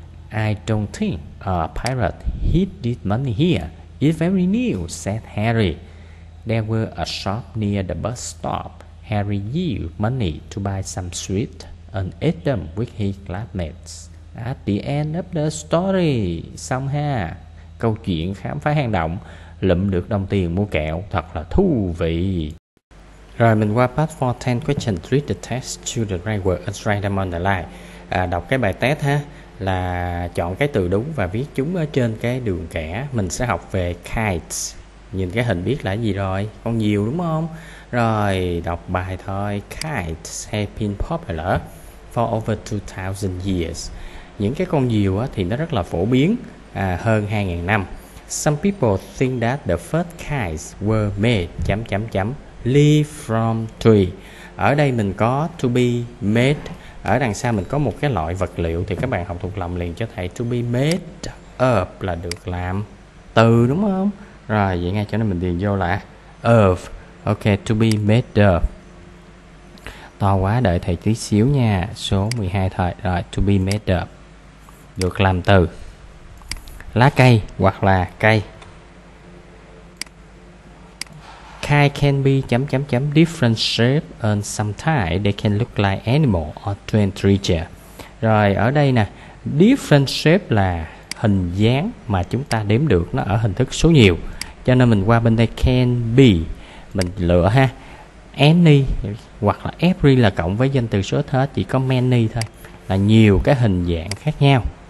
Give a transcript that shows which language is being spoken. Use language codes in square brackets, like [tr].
[en] I don't think a pirate hid this money here. It's very new, said Harry. There were a shop near the bus stop. Harry used money to buy some sweets and ate them with his classmates. At the end of the story, [vi] xong ha. Câu chuyện khám phá hang động, lụm được đồng tiền mua kẹo, thật là thú vị. Rồi mình qua [en] part 4, 10 questions, read the text, choose the right word and write them on the line. [vi] Đọc cái bài test ha, là chọn cái từ đúng và viết chúng ở trên cái đường kẻ. Mình sẽ học về kites. Nhìn cái hình biết là gì rồi, con diều đúng không? Rồi đọc bài thôi. [en] Kites have been popular for over 2,000 years. [vi] Những cái con diều á, thì nó rất là phổ biến hơn 2,000 năm. [en] Some people think that the first kites were made leave from tree. [vi] Ở đây mình có [en] to be made. [vi] Ở đằng sau mình có một cái loại vật liệu, thì các bạn học thuộc lòng liền cho thầy [en] to be made of [vi] là được làm từ đúng không? Rồi vậy ngay cho nên mình điền vô là of. [en] Ok, to be made of. [vi] To quá, đợi thầy tí xíu nha. Số 12 thôi. Rồi, [en] to be made of, [vi] được làm từ lá cây hoặc là cây. [en] Kai can be different shape and sometimes they can look like animal or strange creature. [vi] Rồi ở đây nè, [en] different shape [vi] là hình dáng mà chúng ta đếm được, nó ở hình thức số nhiều. Cho nên mình qua bên đây [en] can be, [vi] mình lựa ha. Any hoặc là every là cộng với danh từ số ít hết, chỉ có many thôi là nhiều cái hình dạng khác nhau.